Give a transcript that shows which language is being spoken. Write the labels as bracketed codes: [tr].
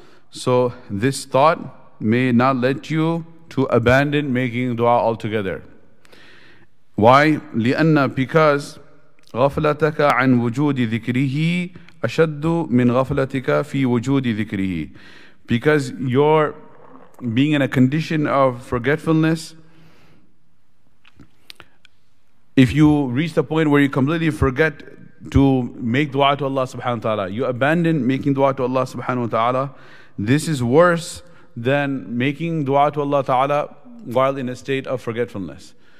[en] So this thought may not let you to abandon making dua altogether. Why? [ar] لِأَنَّ [en] because [ar] غفلتك عن وجود ذكره أشد من غفلتك في وجود ذكره. [en] Because you're being in a condition of forgetfulness, if you reach the point where you completely forget to make dua to Allah subhanahu wa ta'ala, you abandon making dua to Allah subhanahu wa ta'ala, this is worse than making dua to Allah ta'ala while in a state of forgetfulness.